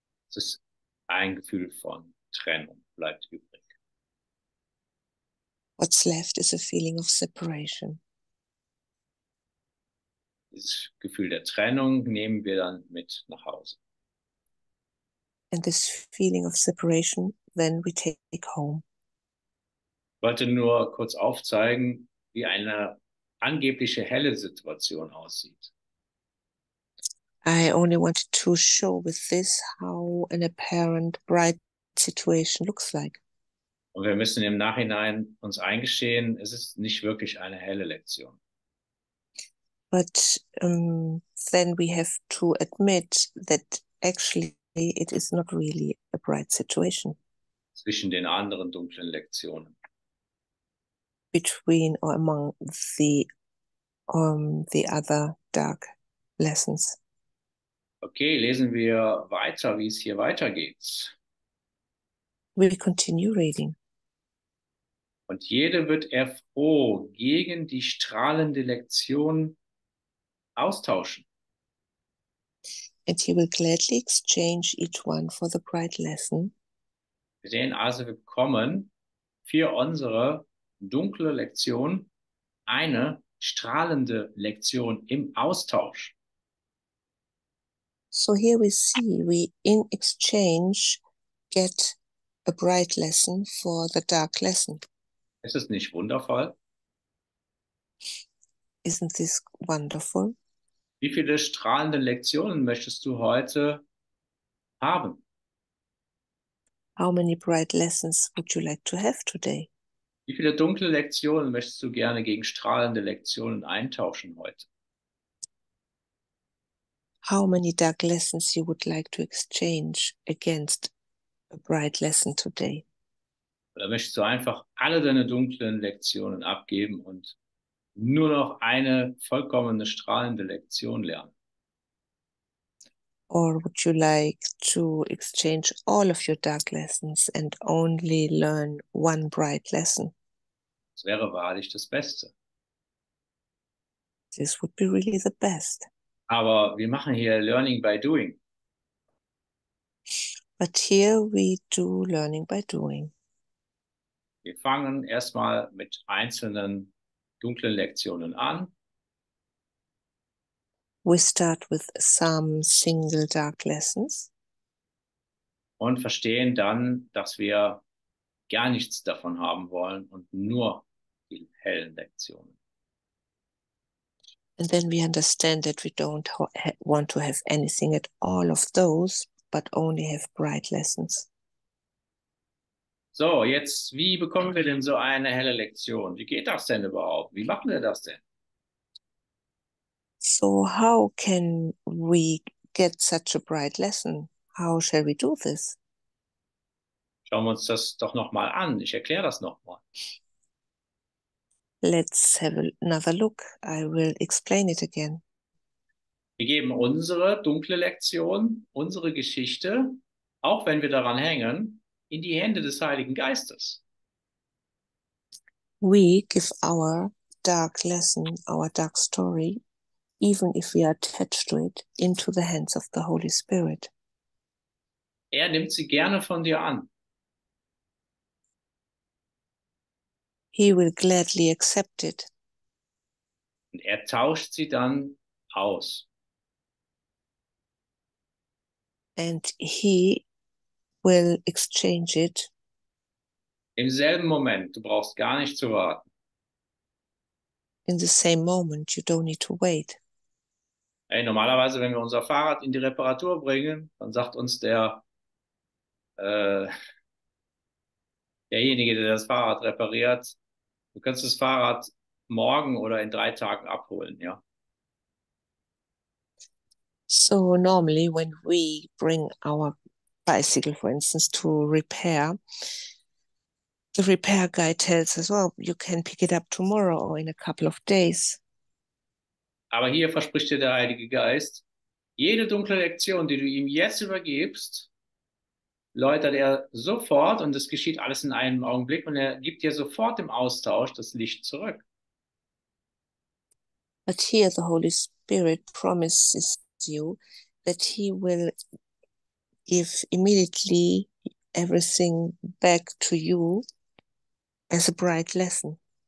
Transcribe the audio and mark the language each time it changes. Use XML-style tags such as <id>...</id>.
<de>Es ist ein Gefühl von Trennung, bleibt übrig.</de> <en>What's left is a feeling of separation.</en> <de>Dieses Gefühl der Trennung nehmen wir dann mit nach Hause.</de> <en>And this feeling of separation, then we take home.</en> <de>Ich wollte nur kurz aufzeigen, wie eine angebliche helle Situation aussieht.</de> <en>I only wanted to show with this how an apparent bright situation looks like.</en> <de>Und wir müssen im Nachhinein uns eingestehen, es ist nicht wirklich eine helle Lektion.</de> <en>But then we have to admit that actually it is not really a bright situation.</en> <de>Zwischen den anderen dunklen Lektionen.</de> <en>Between or among the other dark lessons.</en> <de>Okay, lesen wir weiter, wie es hier weitergeht.</de> <en>We continue reading.</en> <de>Und jede wird er froh gegen die strahlende Lektion austauschen.</de> <en>And he will gladly exchange each one for the bright lesson.</en> <de>Wir sehen also, wir bekommen für unsere dunkle Lektion eine strahlende Lektion im Austausch.</de> <en>So here we see, we in exchange get a bright lesson for the dark lesson.</en> <de>Ist es nicht wundervoll?</de> <en>Isn't this wonderful?</en> <de>Wie viele strahlende Lektionen möchtest du heute haben?</de> <en>How many bright lessons would you like to have today?</en> <de>Wie viele dunkle Lektionen möchtest du gerne gegen strahlende Lektionen eintauschen heute?</de> <en>How many dark lessons you would like to exchange against a bright lesson today?</en> <de>Oder möchtest du einfach alle deine dunklen Lektionen abgeben und nur noch eine vollkommene strahlende Lektion lernen?</de> <en>Or would you like to exchange all of your dark lessons and only learn one bright lesson?</en> <de>Das wäre wahrlich das Beste.</de> <en>This would be really the best.</en> <de>Aber wir machen hier Learning by Doing.</de> <en>But here we do learning by doing.</en> <de>Wir fangen erstmal mit einzelnen dunklen Lektionen an.</de> <en>We start with some single dark lessons.</en> <de>Und verstehen dann, dass wir gar nichts davon haben wollen und nur die hellen Lektionen.</de> <en>And then we understand that we don't want to have anything at all of those, but only have bright lessons.</en> <de>So, jetzt, wie bekommen wir denn so eine helle Lektion? Wie geht das denn überhaupt? Wie machen wir das denn?</de> <en>So, how can we get such a bright lesson? How shall we do this?</en> <de>Schauen wir uns das doch nochmal an. Ich erkläre das nochmal.</de> <en>Let's have another look. I will explain it again.</en> <de>Wir geben unsere dunkle Lektion, unsere Geschichte, auch wenn wir daran hängen, in die Hände des Heiligen Geistes.</de> <en>We give our dark lesson, our dark story, even if we are attached to it, into the hands of the Holy Spirit.</en> <de>Er nimmt sie gerne von dir an.</de> <en>He will gladly accept it.</en> <de>Und er tauscht sie dann aus.</de> <en>And he will exchange it.</en> <de>Im selben Moment, du brauchst gar nicht zu warten.</de> <en>In the same moment, you don't need to wait.</en> <de>Hey, normalerweise, wenn wir unser Fahrrad in die Reparatur bringen, dann sagt uns derjenige, der das Fahrrad repariert, du kannst das Fahrrad morgen oder in 3 Tagen abholen, ja.</de> <en>So normally when we bring our bicycle, for instance, to repair, the repair guy tells us, well, you can pick it up tomorrow or in a couple of days.</en> <de>Aber hier verspricht dir der Heilige Geist, jede dunkle Lektion, die du ihm jetzt übergibst, läutert er sofort und es geschieht alles in einem Augenblick und er gibt dir sofort im Austausch das Licht zurück.</de> <en>But here the Holy Spirit promises you that he will give immediately everything back to you as a bright lesson.</en>